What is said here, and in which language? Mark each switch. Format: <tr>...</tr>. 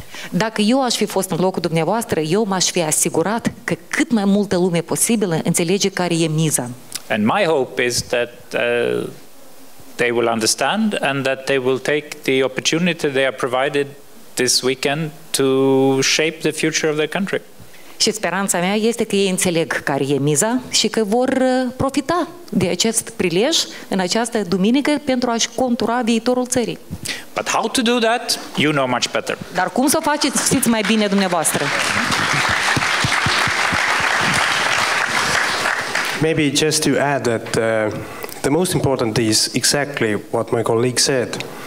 <ro>Dacă eu aș fi fost în locul dumneavoastră, eu m-aș fi asigurat că cât mai multă lume posibilă înțelege care e miza.</ro> <en>And my hope is that they will understand and that they will take the opportunity they are provided this weekend to shape the future of their country.</en> <ro>Și speranța mea este că ei înțeleg care e miza și că vor profita de acest prilej în această duminică pentru a-și contura viitorul țării.</ro> <en>But how to do that, you know much better.</en> <ro>Dar cum să o faceți, știți mai bine dumneavoastră.</ro> <en>Maybe just to add that the most important is exactly what my colleague said.</en>